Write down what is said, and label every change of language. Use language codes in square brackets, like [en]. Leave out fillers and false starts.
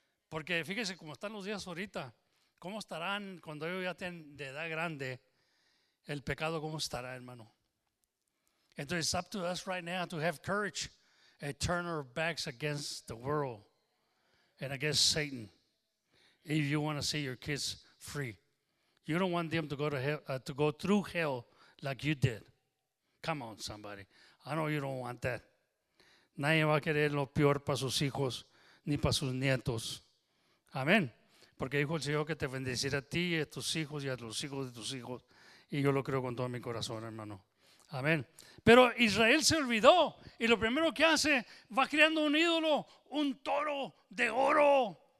[es] Porque fíjese cómo están los días ahorita. ¿Cómo estarán cuando ellos ya estén de edad grande? El pecado, ¿cómo estará, hermano? [en] Entonces, it's up to us right now to have courage and turn our backs against the world and against Satan if you want to see your kids free. You don't want them to go to hell, to go through hell like you did. Come on, somebody. I know you don't want that. [es] Nadie va a querer lo peor para sus hijos ni para sus nietos. Amén. Porque dijo el Señor que te bendecirá a ti y a tus hijos y a los hijos de tus hijos. Y yo lo creo con todo mi corazón, hermano. Amén. Pero Israel se olvidó. Y lo primero que hace, va creando un ídolo, un toro de oro.